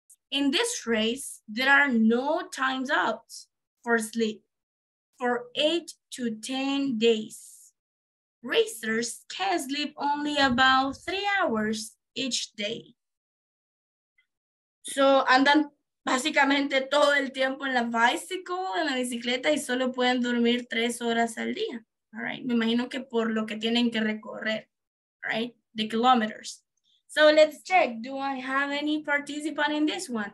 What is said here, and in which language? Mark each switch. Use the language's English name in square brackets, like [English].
[English] In this race, there are no times out for sleep for 8 to 10 days. Racers can sleep only about 3 hours each day. So [Spanish] andan básicamente todo el tiempo en la bicycle, en la bicicleta, y solo pueden dormir 3 horas al día. [English] All right. [Spanish] Me imagino que por lo que tienen que recorrer, [English] right? The kilometers. So let's check. Do I have any participant in this one?